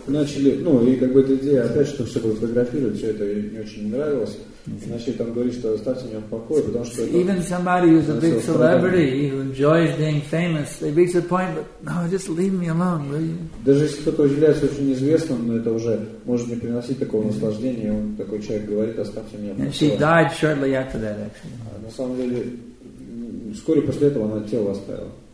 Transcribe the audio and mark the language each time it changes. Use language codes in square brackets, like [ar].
[ru] Начали, ну и как бы эта идея опять, что все фотографируют, все это ей не очень нравилось. Начали там говорить, что оставьте меня в покое, потому что [en] even somebody who's a big celebrity who enjoys being famous, they reach the point, but no, just leave me alone, will you? [ru] Даже если кто-то является очень известным, но это уже может не приносить такого наслаждения, он такой человек говорит, оставьте меня в покое. [en] And she died shortly after that, actually. [ru] На самом деле, вскоре после этого она тело оставила.